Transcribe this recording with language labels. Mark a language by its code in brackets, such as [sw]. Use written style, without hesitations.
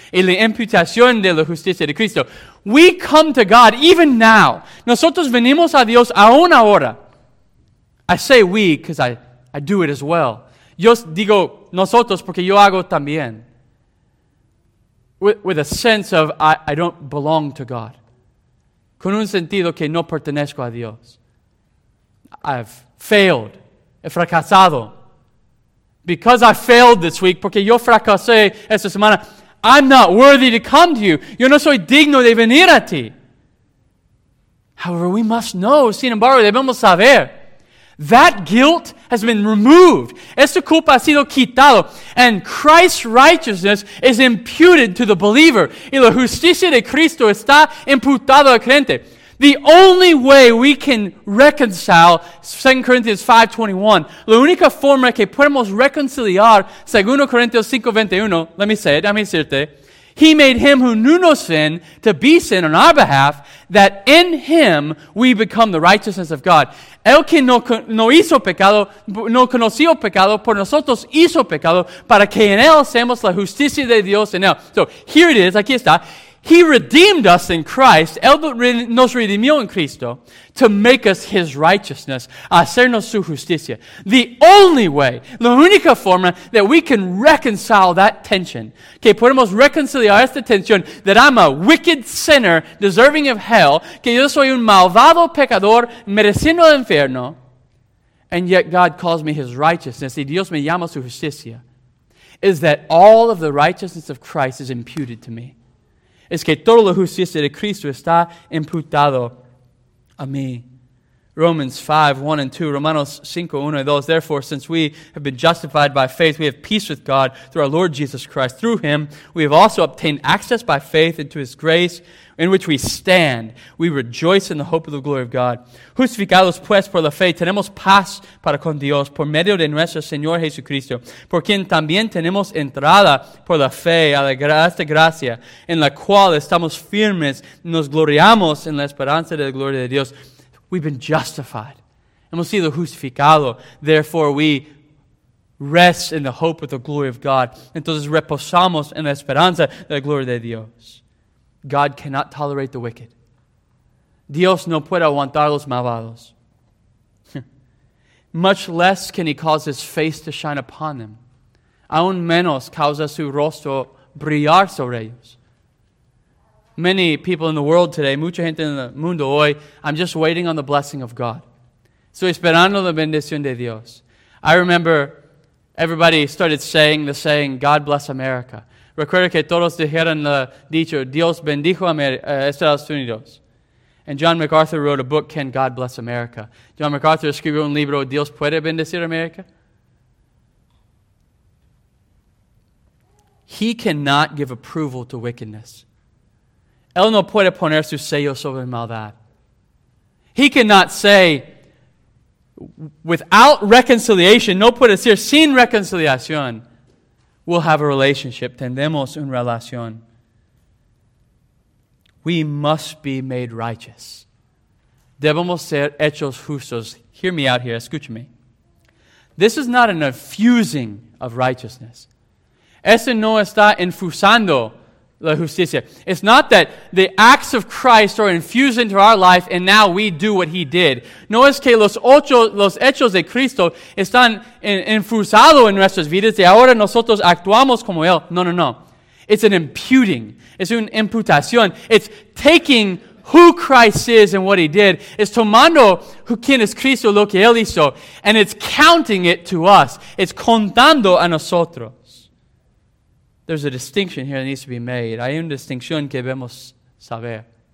[es] Y la imputación de la justicia de Cristo. [en] We come to God even now. [es] Nosotros venimos a Dios aún ahora. [en] I say we because I do it as well. [es] Yo digo nosotros porque yo hago también. [en] With a sense of, I don't belong to God. [es] Con un sentido que no pertenezco a Dios. [en] I've failed. [es] He fracasado. [en] Because I failed this week, [es] porque yo fracasé esta semana, [en] I'm not worthy to come to you. [es] Yo no soy digno de venir a ti. [en] However, we must know, [es] sin embargo, debemos saber, [en] That guilt has been removed. [es] Esa culpa ha sido quitado. [en] And Christ's righteousness is imputed to the believer. [es] Y la justicia de Cristo está imputada al creyente. [en] The only way we can reconcile, 2 Corinthians 5:21. [es] La única forma que podemos reconciliar, 2 Corinthians 5:21. [en] Let me say it, [es] déjame decirte. [en] He made him who knew no sin to be sin on our behalf, that in him we become the righteousness of God. [es] El que no hizo pecado, no conoció pecado, por nosotros hizo pecado, para que en él seamos la justicia de Dios en él. [en] So here it is, [es] aquí está. [en] He redeemed us in Christ, [es] él nos redimió en Cristo, [en] to make us his righteousness, [es] hacernos su justicia. [en] The only way, [es] la única forma [en] that we can reconcile that tension, [es] que podemos reconciliar esta tensión, [en] that I'm a wicked sinner deserving of hell, [es] que yo soy un malvado pecador mereciendo el infierno, [en] and yet God calls me his righteousness, [es] y Dios me llama su justicia, [en] is that all of the righteousness of Christ is imputed to me. [es] Es que toda la justicia de Cristo está imputado a mí. [en] Romans 5, 1 and 2. Romanos 5, 1 and 2. Therefore, since we have been justified by faith, we have peace with God through our Lord Jesus Christ. Through him, we have also obtained access by faith into his grace, in which we stand. We rejoice in the hope of the glory of God. [es] Justificados pues por la fe, tenemos paz para con Dios por medio de nuestro Señor Jesucristo, por quien también tenemos entrada por la fe a esta gracia, en la cual estamos firmes, nos gloriamos en la esperanza de la gloria de Dios. [en] We've been justified. [es] Hemos sido justificado. [en] Therefore, we rest in the hope of the glory of God. [es] Entonces, reposamos en la esperanza de la gloria de Dios. [en] God cannot tolerate the wicked. [es] Dios no puede aguantar los malvados. [en] Much less can he cause his face to shine upon them. [es] Aún menos causa su rostro brillar sobre ellos. [en] Many people in the world today, [es] mucha gente en el mundo hoy, [en] I'm just waiting on the blessing of God. [es] Estoy esperando la bendición de Dios. [en] I remember everybody started saying the saying, God bless America. [es] Recuerdo que todos dijeron el dicho, Dios bendijo a Estados Unidos. [en] And John MacArthur wrote a book, Can God Bless America? [es] John MacArthur escribió un libro, Dios puede bendecir America? [en] He cannot give approval to wickedness. [es] Él no puede poner su sello sobre maldad. [en] He cannot say, without reconciliation, [es] no puede decir sin reconciliación, [en] we'll have a relationship, [es] tendremos una relación. [en] We must be made righteous. [es] Debemos ser hechos justos. [en] Hear me out here, [es] escúchame. [en] This is not an infusing of righteousness. [es] Eso no está infusando la justicia. [en] It's not that the acts of Christ are infused into our life and now we do what he did. [es] No es que los hechos de Cristo están infusados en nuestras vidas y ahora nosotros actuamos como él. [en] No, no, no. It's an imputing. [es] Es una imputación. [en] It's taking who Christ is and what he did. [es] It's tomando who quien es Cristo, lo que él hizo. [en] And it's counting it to us. It's [es] contando a nosotros. [en] There's a distinction here that needs to be made. [es] Hay una distinción que debemos saber.